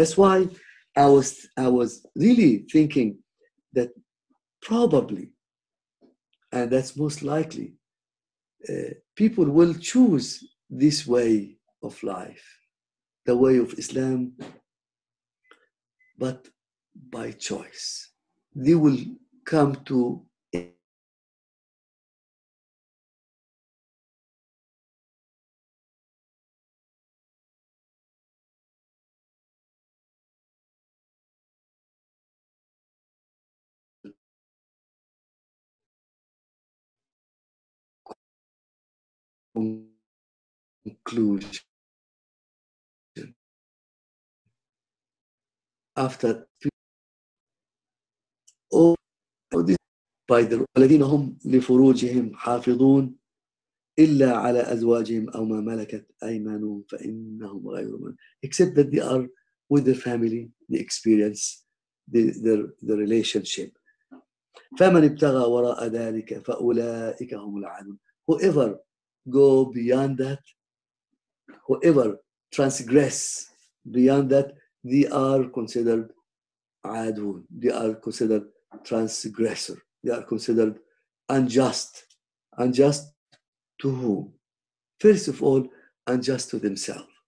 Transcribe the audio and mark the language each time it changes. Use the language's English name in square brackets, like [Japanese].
[English] That's why I was really thinking that probably, and that's most likely, people will choose this way of life, the way of Islam, but by choice. They will come to conclusion after this by the [Arabic] الذين هم لفروجهم حافظون إلا على أزواجهم أو ما ملكت أيمانهم فإنهم غير ملكون. [English] Except that they are with their family, they experience the relationship. [Arabic] فمن ابتغى وراء ذلك فأولئك هم العادون. [English] Whoever go beyond that, whoever transgress beyond that, they are considered عادون. They are considered transgressor. They are considered unjust. Unjust to whom? First of all, unjust to themselves.